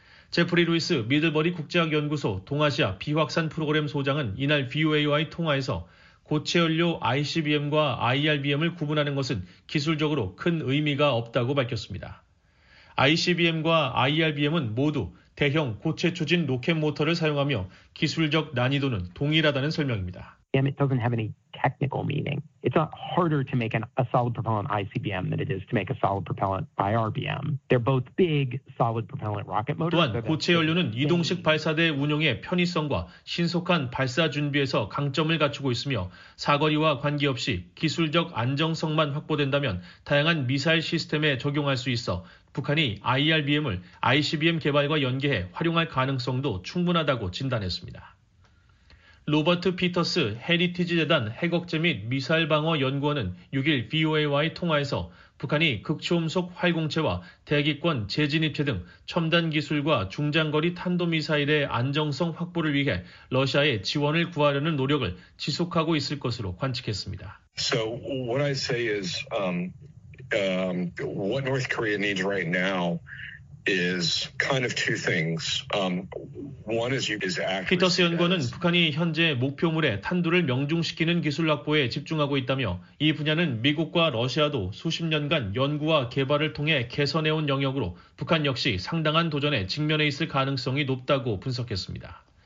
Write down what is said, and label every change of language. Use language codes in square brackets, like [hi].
[ko] 제프리 루이스 미들버리 국제학연구소 동아시아 비확산 프로그램 소장은 이날 VOA와의 통화에서 고체연료 ICBM과 IRBM을 구분하는 것은 기술적으로 큰 의미가 없다고 밝혔습니다. ICBM과 IRBM은 모두 대형 고체 추진 로켓 모터를 사용하며 기술적 난이도는 동일하다는 설명입니다. [en] It doesn't have any technical meaning. It's a harder to make a solid propellant ICBM than it is to make a solid propellant IRBM. They're both big solid propellant rocket motors. [ko] 또한 고체 연료는 이동식 발사대 운용의 편의성과 신속한 발사 준비에서 강점을 갖추고 있으며 사거리와 관계없이 기술적 안정성만 확보된다면 다양한 미사일 시스템에 적용할 수 있어 북한이 IRBM을 ICBM 개발과 연계해 활용할 가능성도 충분하다고 진단했습니다. 로버트 피터스 헤리티지 재단 핵억제 및 미사일 방어 연구원은 6일 VOA와의 통화에서 북한이 극초음속 활공체와 대기권 재진입체 등 첨단 기술과 중장거리 탄도미사일의 안정성 확보를 위해 러시아의 지원을 구하려는 노력을 지속하고 있을 것으로 관측했습니다. [en] So what I say is what North Korea needs right now is kind of two things. One is accuracy. [ko] 피터스 연구원은 북한이 현재 목표물에 탄두를 명중시키는 기술 확보에 집중하고 있다며 이 분야는 미국과 러시아도 수십 년간 연구와 개발을 통해 개선해온 영역으로 북한 역시 상당한 도전에 직면해 있을 가능성이 높다고 분석했습니다.